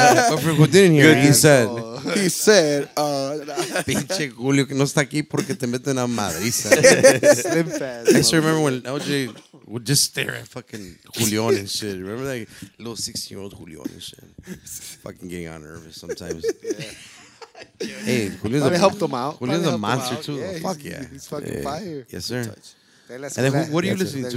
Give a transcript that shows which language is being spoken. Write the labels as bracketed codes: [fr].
[en] But for who didn't hear it, he said. [es] Pinche Julio que no está aquí porque te meten a madriza. [en] Slim fast. I used to remember when LJ would just stare at fucking Julion and shit. Remember that little 16-year-old Julion and shit? Fucking getting on nervous sometimes. Yeah. Hey, Julio's probably helped him out. Julio's a monster too. Yeah, oh, fuck yeah. He's fucking fire. Yes, sir. And then what are you listening to?